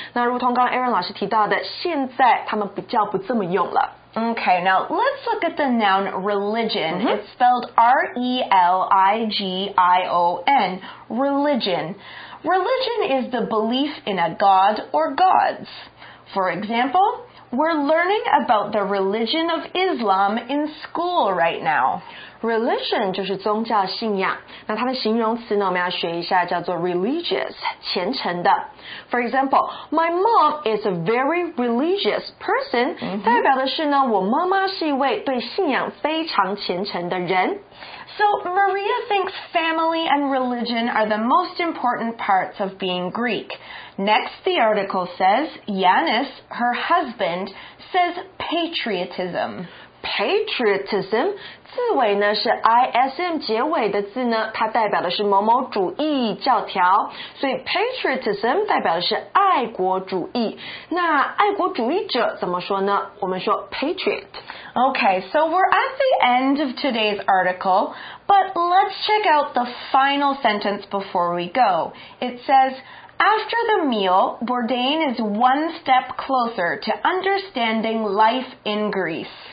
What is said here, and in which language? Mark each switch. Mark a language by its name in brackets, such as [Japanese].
[Chinese] 那如同刚刚 Aaron 老师提到的，现在他们比较不这么用了。 [English] Okay, now let's look at the noun religion. Mm-hmm. It's spelled R-E-L-I-G-I-O-N, religion. Religion is the belief in a god or gods. For example, we're learning about the religion of Islam in school right now. [Chinese] Religion 就是宗教信仰，那它的形容词呢，我们要学一下叫做 religious， 虔诚的。 [English] For example, my mom is a very religious person.、 Mm-hmm. [Chinese] 代表的是呢，我妈妈是一位对信仰非常虔诚的人。 [English] So Maria thinks family and religion are the most important parts of being Greek. Next, the article says Yanis, her husband, says patriotism. [Chinese] Patriotism, 字尾呢是 ism 结尾的字呢，它代表的是某某主义教条，所以 patriotism 代表的是爱国主义。那爱国主义者怎么说呢？我们说 patriot。 [English] Okay, so we're at the end of today's article, but let's check out the final sentence before we go. It says... After the meal, Bourdain is one step closer to understanding life in Greece.